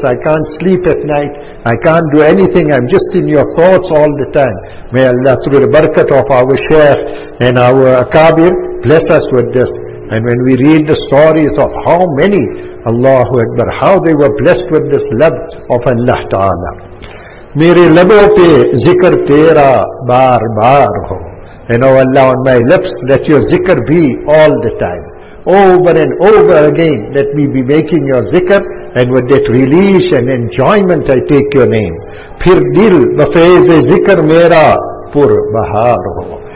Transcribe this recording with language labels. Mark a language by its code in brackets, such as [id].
[en] I can't sleep at night. I can't do anything. I'm just in your thoughts all the time. May Allah, through the barakat of our Shaykh and our Akabir, bless us with this. And when we read the stories of how many, Allahu Akbar, how they were blessed with this love of Allah Ta'ala. [ur] میرے لبوں پہ ذکر تیرا بار بار ہو. [en] You know, Allah, on my lips, let your zikr be all the time. Over and over again, let me be making your zikr, and with that release and enjoyment, I take your name. [ur] Phir dil bafeze zikr mera pur bahar ho.